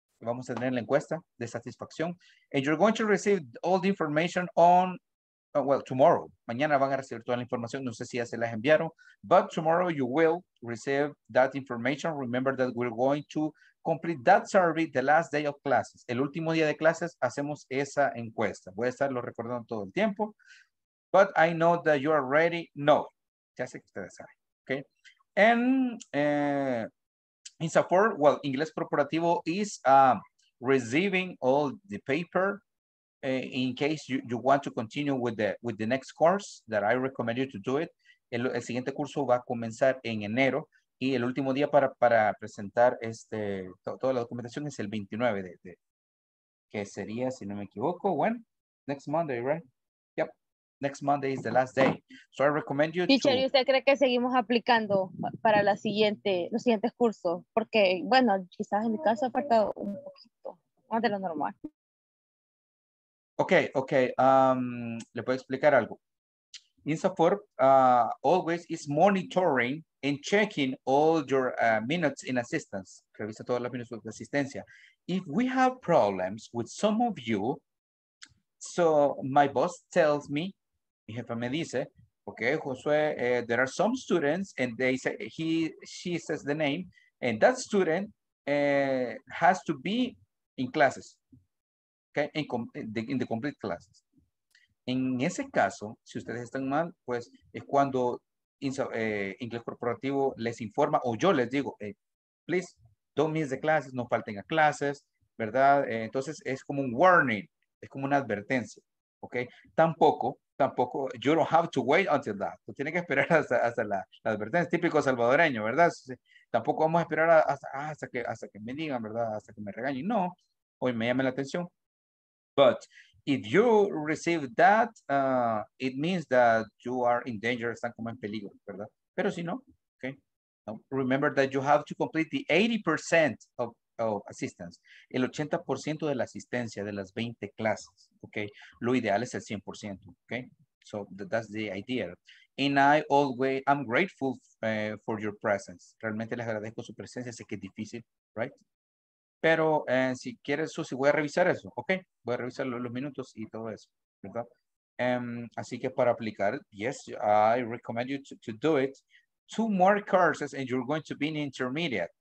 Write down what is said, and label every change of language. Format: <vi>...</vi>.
<es>Vamos a tener la encuesta de satisfacción.</es> <en>And you're going to receive all the information on, well, tomorrow.</en> <es>Mañana van a recibir toda la información. No sé si ya se las enviaron.</es> <en>But tomorrow you will receive that information. Remember that we're going to complete that survey the last day of classes.</en> <es>El último día de clases hacemos esa encuesta. Voy a estarlo recordando todo el tiempo.</es> <en>But I know that you are ready.</en> <es>No. Ya sé que ustedes saben. Okay.</es> <en>And INSAFORP, well, Inglés Corporativo is receiving all the paper in case you want to continue with the next course that I recommend you to do it.</en> <es>El siguiente curso va a comenzar en enero y el último día para presentar toda la documentación es el 29 de que sería, si no me equivoco,</es> <en>when? Next Monday, right? Yep. Next Monday is the last day. So I recommend you</en> <es>teacher, ¿usted cree que seguimos aplicando para los siguientes cursos? Porque, bueno, quizás en mi caso ha faltado un poquito más de lo normal. Okay. Le puedo explicar algo.</es> <en>INSAFORP always is monitoring and checking all your minutes in assistance.</en> <es>Revisa todas las minutos de asistencia.</es> <en>If we have problems with some of you, so my boss tells me,</en> <es>mi jefa me dice,</es> <en>okay, Josué, there are some students, and they say she says the name, and that student has to be in classes. Okay, in the complete classes.</en> <es>En ese caso, si ustedes están mal, pues es cuando Inglés Corporativo les informa o yo les digo,</es> <en>hey, please, don't miss the classes,</en> <es>no falten a clases, ¿verdad? Entonces es como un warning, es como una advertencia, ¿ok?</es> <en>Tampoco, you don't have to wait until that.</en> <es>Tú tienes que esperar hasta la advertencia, típico salvadoreño, ¿verdad? Entonces, tampoco vamos a esperar hasta que me digan, ¿verdad? Hasta que me regañen. No, hoy me llame la atención.</es> <en>But if you receive that, it means that you are in danger,</en> <es>están como en peligro, ¿verdad? Pero si no, okay.</es> <en>Now, remember that you have to complete the 80% of assistance,</en> <es>el 80% de la asistencia de las 20 clases, okay. Lo ideal es el 100%, okay.</es> <en>So that's the idea. And I always, I'm grateful for your presence.</en> <es>Realmente les agradezco su presencia, sé que es difícil, right? Pero si quieres, Susi, voy a revisar eso, ¿ok? Voy a revisar los minutos y todo eso, ¿verdad? Así que para aplicar,</es> <en>yes, I recommend you to do it. Two more courses and you're going to be in intermediate.</en>